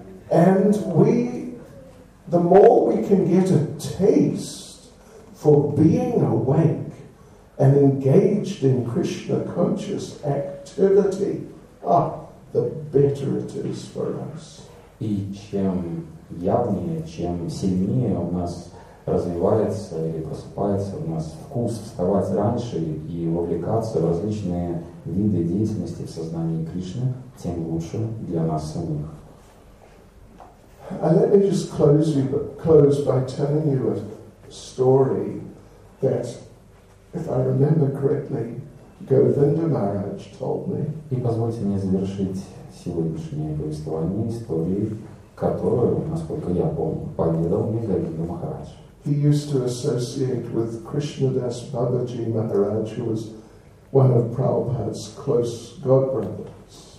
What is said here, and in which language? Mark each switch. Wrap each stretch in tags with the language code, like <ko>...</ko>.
<en>And the more we can get a taste for being awake and engaged in Krishna conscious activity, the better it is for us.</en> <ru>И чем явнее, чем сильнее у нас развивается или просыпается у нас вкус вставать раньше и вовлекаться в различные виды деятельности в сознании Кришны, тем лучше для нас самих.</ru> <en>And let me just close by telling you a story that, if I remember correctly, Govinda Maharaj told me.</en> <ru>И позвольте мне завершить сегодняшнее повествование историей, которую, насколько я помню, поведал мне Говинда Махарадж.</ru> <en>He used to associate with Krishnadas Babaji Maharaj, who was one of Prabhupada's close godbrothers.</en>